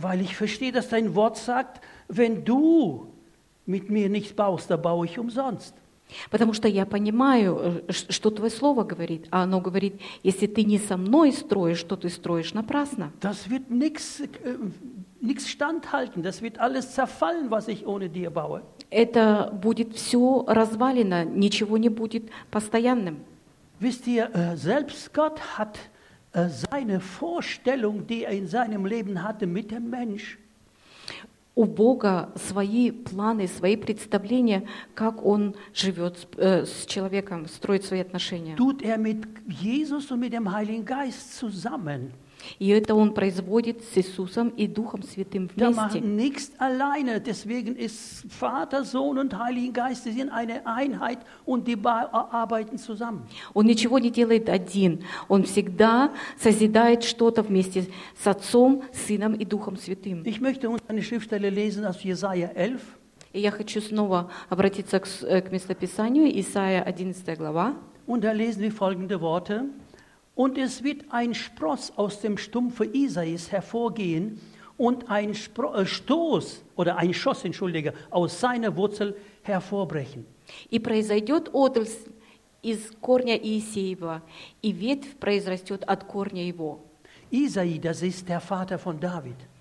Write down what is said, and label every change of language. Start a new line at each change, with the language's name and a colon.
German: Weil ich verstehe, dass dein Wort sagt, wenn du mit mir nichts baust, dann baue ich umsonst.
Russian: Потому что я понимаю, что твое слово говорит, а оно говорит, если ты не со мной строишь, то ты строишь напрасно.
German: Das wird nichts standhalten, das wird alles zerfallen, was ich ohne dir baue.
Russian: Это будет все развалено, ничего не будет постоянным.
German: Wisst ihr, selbst Gott hat seine Vorstellung, die er in seinem Leben hatte, mit dem Mensch.
Russian: У Бога свои планы, свои представления, как Он живет с человеком, строит свои отношения.
German: Tut er mit Jesus und mit dem Heiligen Geist zusammen.
Russian: И это Он производит с Иисусом и Духом Святым вместе.
German: Da macht nichts alleine, deswegen ist Vater, Sohn und Heiligen Geist sind eine Einheit und die arbeiten zusammen.
Russian: Он ничего не делает один, Он всегда созидает что-то вместе с Отцом, Сыном и Духом Святым.
German: Ich möchte uns eine Schriftstelle lesen aus Jesaja 11.
Russian: И я хочу снова обратиться к местописанию, Исаия 11 глава.
German: Und da lesen wir folgende Worte. Und es wird ein Spross aus dem Stumpfe Isais hervorgehen und ein Stoß oder ein Schoss, entschuldige, aus seiner Wurzel hervorbrechen.
Russian: И произойдет отрасль из корня Иисеева, и ветвь произрастет от корня его.
German: Isai, das ist der Vater von David.